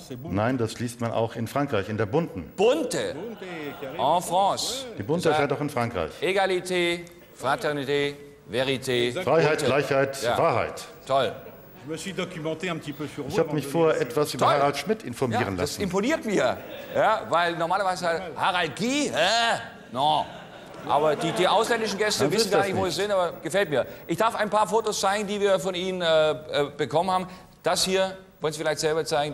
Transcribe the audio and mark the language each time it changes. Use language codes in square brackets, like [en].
[de] Nein, das liest man auch in Frankreich, in der Bunten. [fr] Bunte? En France. [de] Die Bunte erscheint auch in Frankreich. [fr] Egalité, Fraternité, Vérité. [de] Freiheit, Gleichheit, ja. Wahrheit. Toll. Ich habe mich vorher etwas über Harald Schmidt informieren lassen. Das imponiert mir. Ja, weil normalerweise Harald Guy? Non. Aber die ausländischen Gäste wissen gar nicht, wo sie sind, aber gefällt mir. Ich darf ein paar Fotos zeigen, die wir von Ihnen bekommen haben. Das hier. Wollen Sie vielleicht selber zeigen?